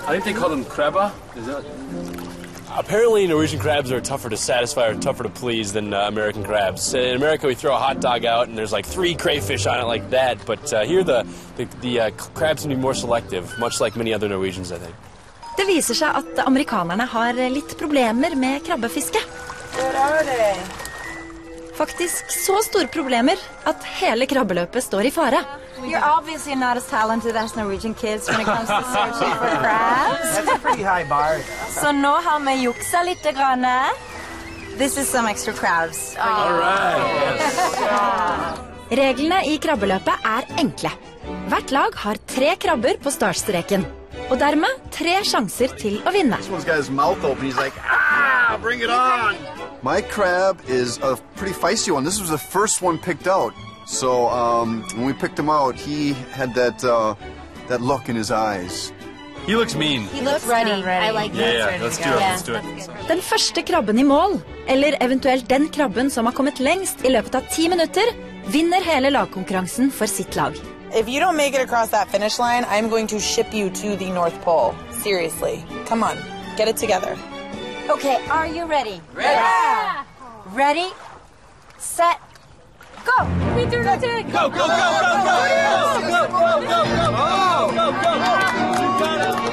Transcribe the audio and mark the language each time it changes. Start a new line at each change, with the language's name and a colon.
English: I think they call them krabba. Is that... Apparently, Norwegian crabs are tougher to satisfy or tougher to please than American crabs. In America, we throw a hot dog out and there's like three crayfish on it like that. But here, the crabs can be more selective, much like many other Norwegians, I think.
Norwegian: Det viser seg at amerikanerne har litt problemer med krabbefiske. Hvor de? Faktisk så store problemer at hele krabbeløpet står I fare.
English: You're obviously not as talented as Norwegian kids when it comes to searching for crabs. That's a pretty high bar.
Norwegian: Så nå har vi juksa litt grann.
English: This is some extra crabs. All right. Yes.
Norwegian: Reglene I krabbeløpet enkle. Hvert lag har tre krabber på startstreken. Og dermed tre sjanser til å vinne.
English: This one's got his mouth open. He's like, ah, bring it on. My crab is a pretty feisty one. This was the first one picked out. So when we picked him out, he had that that look in his eyes. He looks mean. He looks ready. I like that. Yeah, let's do it. Let's do it.
Norwegian: Den første krabben I mål, eller eventuelt den krabben som har kommet lengst I løpet av 10 minutter, vinner hele lagkonkurransen for sitt lag.
English: If you don't make it across that finish line, I'm going to ship you to the North Pole. Seriously. Come on. Get it together. Okay, are you ready? Ready. Yeah. Ready? Set. Go. We do not take. Go, go, go, go, go. Go, go, go, go. Go, go, go. Go, go, go. Go, go, go.